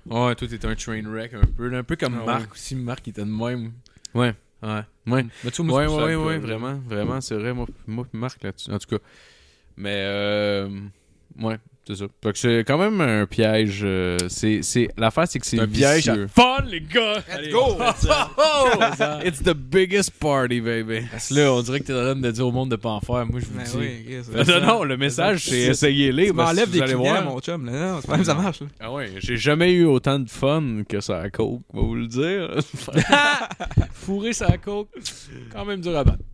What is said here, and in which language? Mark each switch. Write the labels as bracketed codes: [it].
[fr] Ouais, toi t'étais un [en] train wreck [fr] un peu comme Marc aussi. Marc était de même. Ouais. Mais tu vois, ouais, vraiment, c'est vrai. Moi, Marc là-dessus. En tout cas. Mais, ouais. C'est ça. Donc c'est quand même un piège. C'est l'affaire, c'est que c'est un piège vicieux. À fun, les gars! [en] Let's [fr] Allez, [en] go! It's the biggest party, baby. [fr] Là, on dirait que t'es en train de dire au monde de pas en faire. Moi, je vous dis. Oui, okay, non, le message, c'est essayez-les. Tu m'enlèves des clients, mon chum. Là. Non, c'est pas même ça marche. Là. Ah ouais, j'ai jamais eu autant de fun que ça à coke, on va vous le dire. Fourrer ça à coke, quand même dur à battre.